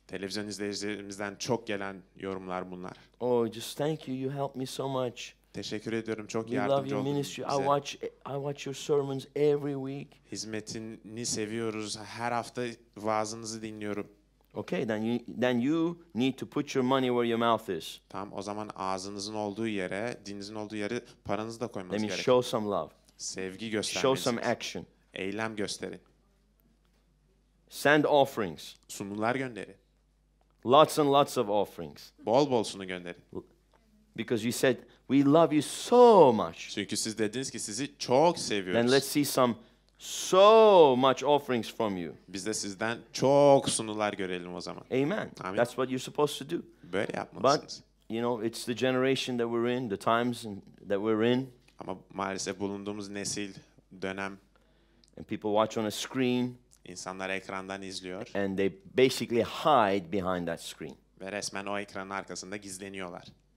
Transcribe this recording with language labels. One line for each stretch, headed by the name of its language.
Turkish: Televizyon izleyicilerimizden çok gelen yorumlar bunlar.
English: Oh, just thank you. You help me so much.
Turkish: Teşekkür ediyorum. Çok yardımcı oldunuz.
English: We love your ministry. I watch your sermons every week.
Turkish: Hizmetini seviyoruz. Her hafta vaazınızı dinliyorum.
English: Okay, then you need to put your money where your mouth is.
Turkish: Tamam, o zaman ağzınızın olduğu yere, dilinizin olduğu yere paranızı da koymanız gerekiyor.
English: Let me show some love.
Turkish: Sevgi göstermeniz.
English: Show some action.
Turkish: Eylem gösterin.
English: Send offerings.
Turkish: Sunumlar gönderin.
English: Lots and lots of offerings.
Turkish: Bol bol sunum gönderin.
English: Because you said we love you so much.
Turkish: Çünkü siz dediniz ki sizi çok seviyoruz.
English: Then let's see some so much offerings from you.
Turkish: Biz de sizden çok sunular görelim o zaman.
English: Amen. Amin. That's what you're supposed to do.
Turkish: Böyle yapmalısınız.
English: But you know, it's the generation that we're in, the times that we're in.
Turkish: Ama maalesef bulunduğumuz nesil, dönem.
English: And people watch on a screen.
Turkish: İnsanlar ekrandan izliyor.
English: And they basically hide behind that screen.
Turkish: Ve resmen o ekranın arkasında gizleniyorlar.